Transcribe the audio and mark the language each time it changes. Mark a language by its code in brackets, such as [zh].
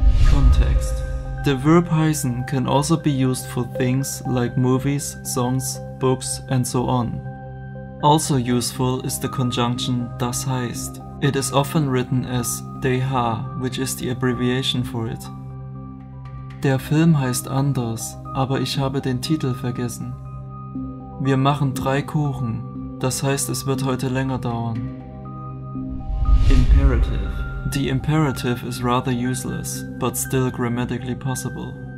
[en] Context. The verb heißen can also be used for things like movies, songs, books, and so on. Also useful is the conjunction das heißt. It is often written as dh, which is the abbreviation for it. [de] Der Film heißt anders, aber ich habe den Titel vergessen. Wir machen 3 Kuchen, das heißt, es wird heute länger dauern. [en] Imperative. The imperative is rather useless, but still grammatically possible.